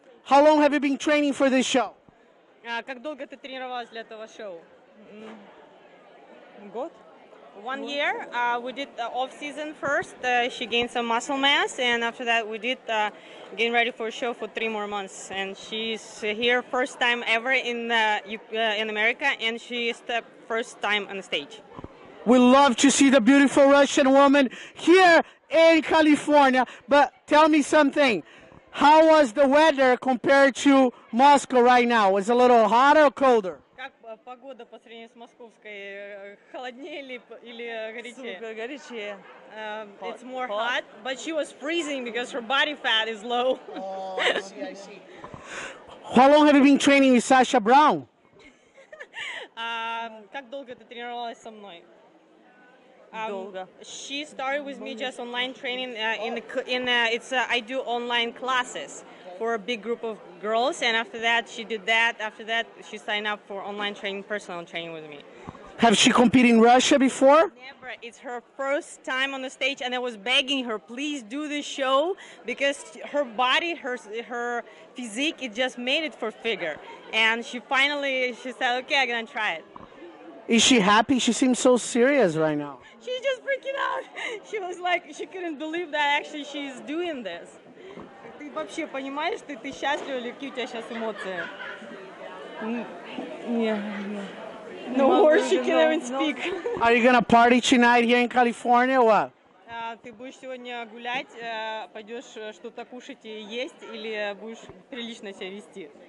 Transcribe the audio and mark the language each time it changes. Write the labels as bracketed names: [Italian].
[English] How long have you been training for this show? [Russian] Как долго ты тренировалась для этого шоу? Год. [English] 1 year. We did off season first. She gained some muscle mass, and after that, we did getting ready for a show for 3 more months. And she's here first time ever in America, and she is the first time on the stage. We love to see the beautiful Russian woman here in California. But tell me something. How was the weather compared to Moscow right now? Was it a little hotter or colder? [Russian] Как погода по сравнению с московской? Холоднее или горячее? Супер горячее. [English] It's more hot, but she was freezing because her body fat is low. Oh, I see. How long have you been training with Sasha Brown? [Russian] Как долго ты тренировалась со мной? Долго. [English] She started with me just online training I do online classes for a big group of girls, and after that she did that. After that she signed up for online training, personal training with me. Have she competed in Russia before? Never. It's her first time on the stage, and I was begging her, please do this show, because her body, her physique, it just made it for figure. And she finally said, okay, I'm gonna try it. Is she happy? She seems so serious right now. She's just freaking out. She was like, she couldn't believe that actually she's doing this. [Russian] Ты вообще понимаешь, ты ты счастлива или какие у тебя сейчас эмоции? [English] No words. She can't even speak. Are you gonna party tonight here in California or what? [Russian] Ты будешь сегодня гулять, пойдешь что-то кушать и есть, или будешь прилично себя вести?